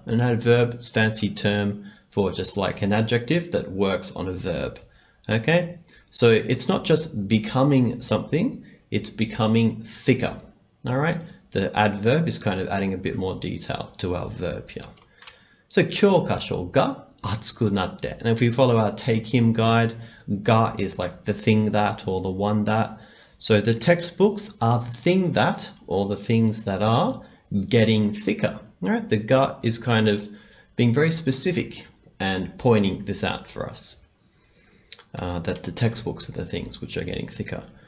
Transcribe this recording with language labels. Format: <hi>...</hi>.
<en>An adverb is a fancy term for just like an adjective that works on a verb, okay? So it's not just becoming something, it's becoming thicker, all right? The adverb is kind of adding a bit more detail to our verb here.</en> <ja>So 教科書が熱くなって.</ja> <en>And if we follow our Take Him guide, が is like the thing that or the one that. So the textbooks are the thing that or the things that are getting thicker, all right? The が is kind of being very specific and pointing this out for us, that the textbooks are the things which are getting thicker.</en>